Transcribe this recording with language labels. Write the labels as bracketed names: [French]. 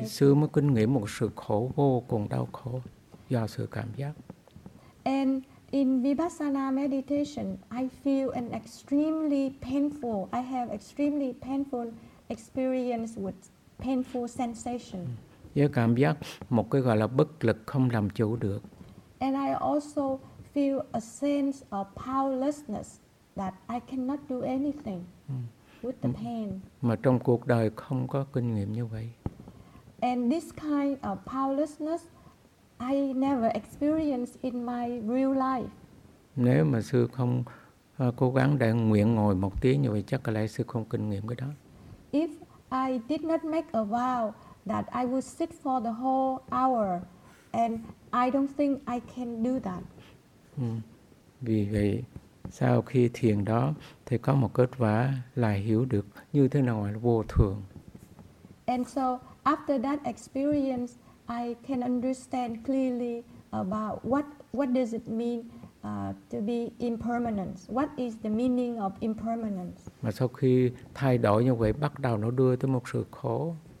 [Vietnamese] Thì xưa mới kinh nghiệm một sự khổ vô cùng đau khổ do sự cảm giác. [English] And in vipassana meditation, I feel an extremely painful. I have extremely painful experience with painful sensation. [Vietnamese] Với cảm giác một cái gọi là bất lực không làm chủ được. [English] And I also feel a sense of powerlessness that I cannot do anything with the pain. [Vietnamese] Mà trong cuộc đời không có kinh nghiệm như vậy. [English] And this kind of powerlessness I never experienced in my real life. [Vietnamese] Nếu mà sư không cố gắng để nguyện ngồi một tiếng như vậy chắc có lẽ sư không kinh nghiệm cái đó. [English] If I did not make a vow that I would sit for the whole hour and I don't think I can do that. [Vietnamese] Vì vậy sau khi thiền đó thì có một kết quả là hiểu được như thế nào là vô thường. [English] And so after that experience I can understand clearly about what does it mean to be impermanence. What is the meaning of impermanence? [Vietnamese] Mà sau khi thay đổi như vậy bắt đầu nó đưa tới một sự khổ.